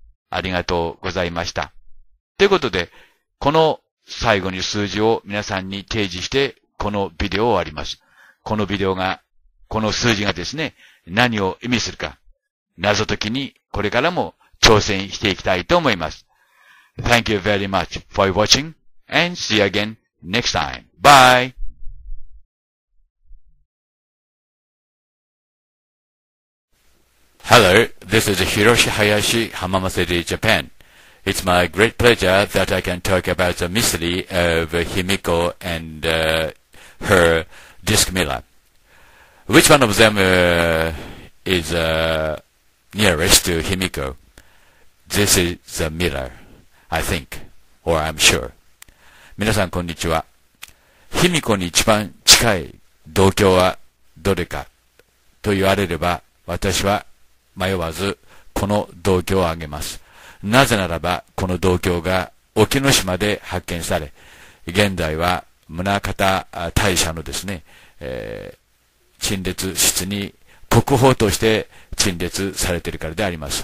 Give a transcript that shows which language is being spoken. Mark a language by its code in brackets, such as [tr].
[ja] ありがとうございました。ということで、この最後に数字を皆さんに提示して、このビデオを終わります。このビデオが、この数字がですね、何を意味するか、謎解きにこれからも挑戦していきたいと思います。 [en] Thank you very much for watching and see you again next time. Bye! Hello, this is Hiroshi Hayashi, Hamamatsuri, Japan. It's my great pleasure that I can talk about the mystery of Himiko and her disc mirror. Which one of them is nearest to Himiko? This is the mirror, I think, or I'm sure. [ja] 皆さんこんにちは。 Himiko に一番近い銅鏡はどれかと言われれば、私は迷わずこの銅鏡をあげます。なぜならばこの銅鏡が沖ノ島で発見され、現在は宗像大社のですね、陳列室に国宝として陳列されているからであります。